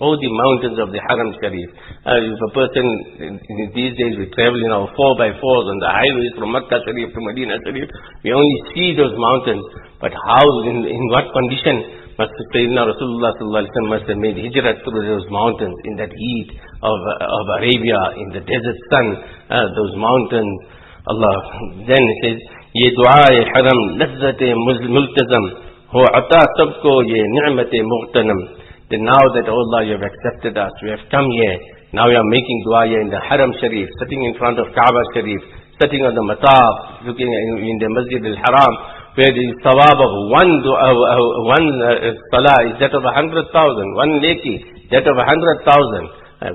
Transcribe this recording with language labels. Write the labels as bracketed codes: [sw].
[en] Oh, the mountains of the Haram Sharif. If a person, these days we travel in our 4x4s on the highways from Makkah Sharif to Medina Sharif, we only see those mountains. But how, in what condition must Sayyidina Rasulullah sallallahu alayhi wa sallam must have made hijrat through those mountains in that heat of Arabia, in the desert sun, those mountains. Allah, then it says, [ur] یہ دعائے حرم لذت ملتزم ہو عطا سب کو یہ نعمت مغتنم. [en] Then now that oh Allah, you have accepted us, we have come here, now we are making dua here in the Haram Sharif, sitting in front of Kaaba Sharif, sitting on the Mataf, looking in the Masjid al-Haram, where the sawab of one salah is that of 100,000, one leki, that of 100,000.